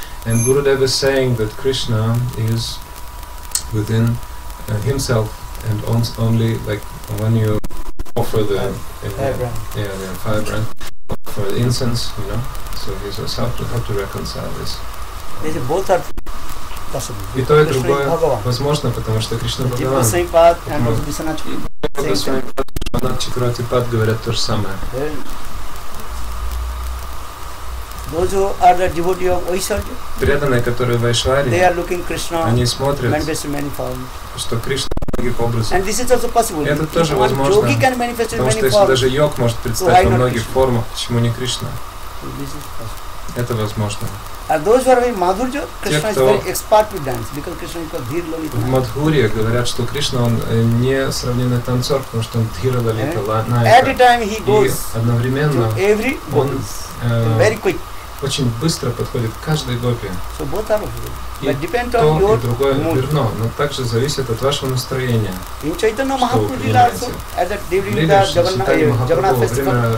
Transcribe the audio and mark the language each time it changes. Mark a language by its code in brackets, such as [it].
[en] And Gurudev is saying that Krishna is within himself and owns only like when you offer the firebrand for the incense, you know. So he says how to reconcile this. Is both are possible. [ru] И то, и другое возможно, потому что Кришна Бхагаван. [en] Both are the same [ru] говорят то же самое. [en] Those who are the devotees of Vaishnava, [ru] преданные, которые Вайшвари, [en] they are looking Krishna, [ru] они смотрят, [en] manifesting [ru] что Кришна в многих образах. [en] And this is also possible. [ru] Это тоже возможно, [en] yogi can manifest [ru] потому что если даже йог может представить во многих формах, почему не Кришна? Это возможно. [en] And those who are in Madhurya, Krishna is very expert with dance, because Krishna is called Dhir Lalita. [ru] В Мадхурье говорят, что Кришна, он не сравненный танцор, потому что он Dhir Lalita Lanaika. [en] Every time he goes [ru] одновременно [en] to every gopi, very quick. [ru] Очень быстро подходит к каждой гопи. [en] So both are good. [ru] И то, и другое верно, но также зависит от вашего настроения. [en] In Chaitanya Mahaprabhu also, at that during the Jagannath festival,